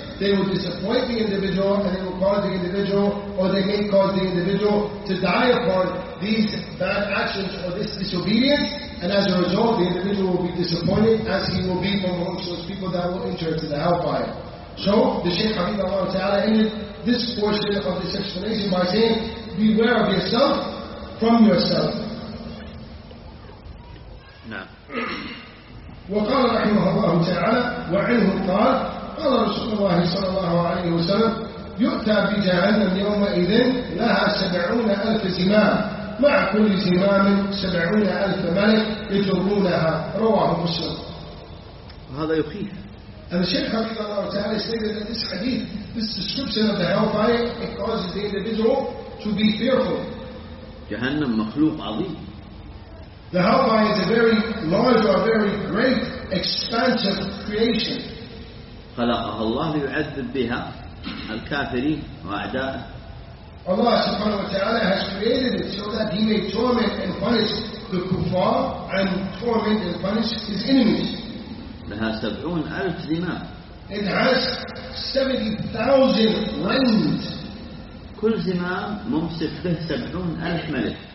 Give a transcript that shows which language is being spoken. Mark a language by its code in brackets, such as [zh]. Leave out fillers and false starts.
[en] They will disappoint the individual, and they will cause the individual, or they may cause the individual to die upon these bad actions or this disobedience, and as a result, the individual will be disappointed, as he will be amongst those people that will enter into the hellfire. So, the Shaykh Habib Allah Ta'ala ended this portion of this explanation by saying, beware of yourself from yourself. No. [ar] وقال رحمه الله تعالى وعنه قال قال رسول الله صلى الله عليه وسلم يؤتى بجهنم يومئذ لها 70,000 زمام مع كل زمام 70,000 ملك يجرونها رواه مسلم. وهذا يخيف. [en] And the Shaykh Habib Allah Ta'ala stated that this hadith, this description of the hellfire, it causes the individual to be fearful. [ar] جهنم مخلوق عظيم. [en] The hellfire is a very large or a very great expansive creation. [ar] خلقها الله ليعذب بها الكافرين وأعداءه. [en] Allah subhanahu wa ta'ala has created it so that he may torment and punish the kuffar and torment and punish his enemies. [ar] لها 70,000 زمام. [en] It has 70,000 rings. [ar] كل زمام ممسك به 70,000 ملك.